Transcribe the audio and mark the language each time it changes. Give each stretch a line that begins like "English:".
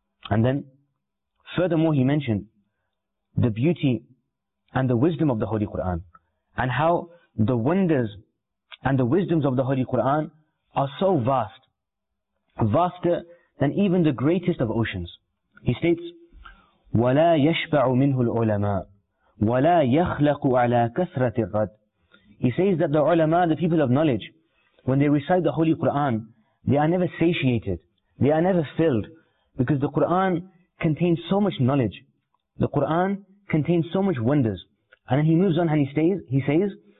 English: And then furthermore he mentioned the beauty and the wisdom of the Holy Qur'an, and how the wonders and the wisdoms of the Holy Qur'an are so vast, vaster than even the greatest of oceans. He states,
Arabic: وَلَا يَشْبَعُ مِنْهُ الْعُلَمَاءُ وَلَا يَخْلَقُ عَلَىٰ كَثْرَةِ الرَّدْ.
English: He says that the ulama, the people of knowledge, when they recite the Holy Qur'an, they are never satiated, they are never filled, because the Qur'an contains so much knowledge. The Qur'an contains so much wonders. And then he moves on and he says,